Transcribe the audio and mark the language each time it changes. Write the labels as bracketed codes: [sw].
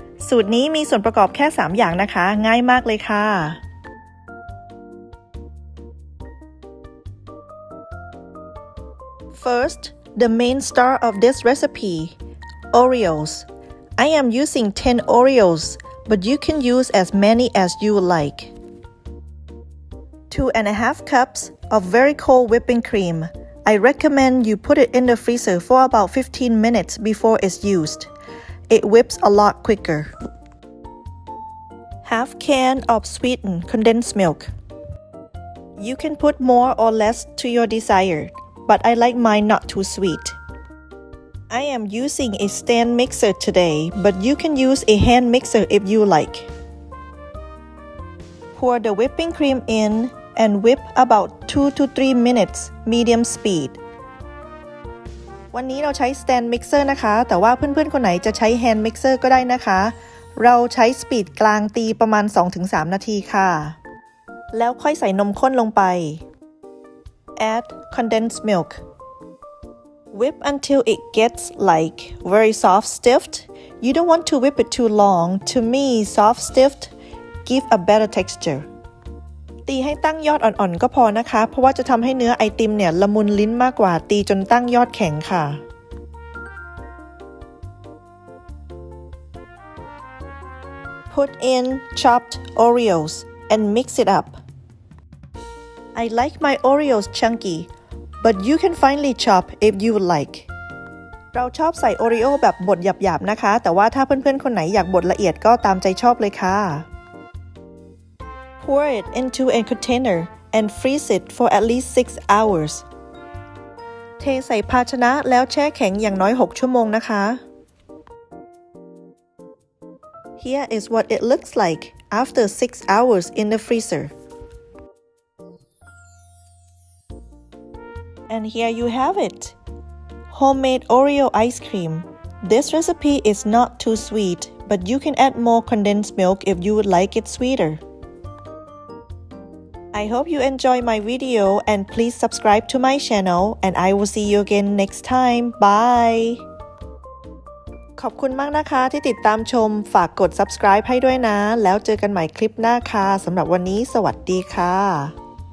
[th] สูตรนี้มีส่วนประกอบแค่3อย่างนะคะง่ายมากเลยค่ะ [en] First, the main star of this recipe, Oreos. I am using 10 Oreos, but you can use as many as you like. 2.5 cups of very cold whipping cream. I recommend you put it in the freezer for about 15 minutes before it's used. It whips a lot quicker. 1/2 can of sweetened condensed milk. You can put more or less to your desire. But I like mine not too sweet. I am using a stand mixer today, but you can use a hand mixer if you like. Pour the whipping cream in and whip about 2-3 minutes, medium speed. [th] วันนี้เราใช้ stand mixer นะคะแต่ว่าเพื่อนๆคนไหนจะใช้ hand mixer ก็ได้นะคะเราใช้ speed กลางตีประมาณ 2-3 นาทีค่ะแล้วค่อยใส่นมข้นลงไป [en] Add condensed milk. Whip until it gets like very soft stiffed. You don't want to whip it too long. To me, soft stiffed give a better texture. [th] ตีให้ตั้งยอดอ่อนๆก็พอนะคะเพราะว่าจะทำให้เนื้อไอติมเนี่ยละมุนลิ้นมากกว่าตีจนตั้งยอดแข็งค่ะ [en] Put in chopped Oreos and mix it up. I like my Oreos chunky, but you can finely chop if you would like. [th] เราชอบใส่โอรีโอแบบบดหยาบๆนะคะแต่ว่าถ้าเพื่อนๆคนไหนอยากบดละเอียดก็ตามใจชอบเลยค่ะ [en] Pour it into a container and freeze it for at least 6 hours. [th] เทใส่ภาชนะแล้วแช่แข็งอย่างน้อย6ชั่วโมงนะคะ [en] Here is what it looks like after 6 hours in the freezer. And here you have it, homemade Oreo ice cream. This recipe is not too sweet, but you can add more condensed milk if you would like it sweeter. I hope you enjoy my video and please subscribe to my channel and I will see you again next time. Bye! [th] ขอบคุณมากนะคะที่ติดตามชมฝากกด subscribe ให้ด้วยนะแล้วเจอกันใหม่คลิปหน้าค่ะสำหรับวันนี้สวัสดีค่ะ